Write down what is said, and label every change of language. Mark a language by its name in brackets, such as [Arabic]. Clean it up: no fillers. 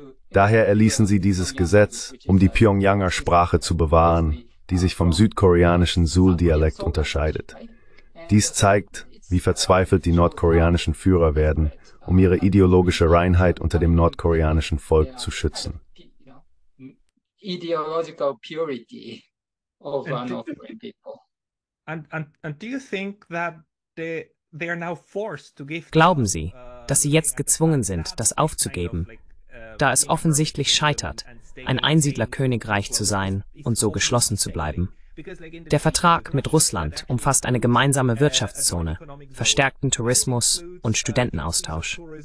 [German] Daher erließen sie dieses Gesetz, um die Pyongyanger Sprache zu bewahren, die sich vom südkoreanischen Seoul-Dialekt unterscheidet. Dies zeigt, wie verzweifelt die nordkoreanischen Führer werden, um ihre ideologische Reinheit unter dem nordkoreanischen Volk zu schützen. [English] Ideological purity of our Northern people. And do you think that they are now forced to give? [German] Glauben Sie, dass sie jetzt gezwungen sind, das aufzugeben, da es offensichtlich scheitert, ein Einsiedlerkönigreich zu sein und so geschlossen zu bleiben? Der Vertrag mit Russland umfasst eine gemeinsame Wirtschaftszone, verstärkten Tourismus und Studentenaustausch.